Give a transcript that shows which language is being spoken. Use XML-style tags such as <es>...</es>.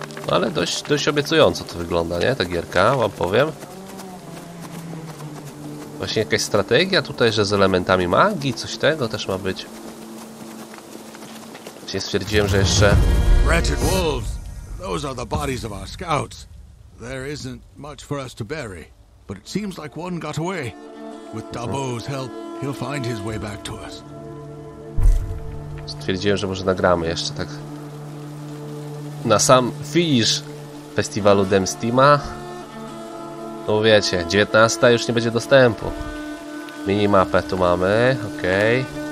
<pl>Ale dość obiecująco to wygląda, nie? Ta gierka, wam powiem. Właśnie jakaś strategia tutaj, że z elementami magii, coś tego też ma być. Właśnie stwierdziłem, że jeszcze...</pl> <en>Wretched wolves! Those are the bodies of our scouts. There isn't much for us to bury, but it seems like one got away. With Dabo's help, he'll find his way back to us.</en> <pl>Stwierdziłem, że może nagramy jeszcze tak... na sam finish festiwalu Demsteama. No wiecie, 19 już nie będzie dostępu. Minimapę tu mamy, okej.</pl>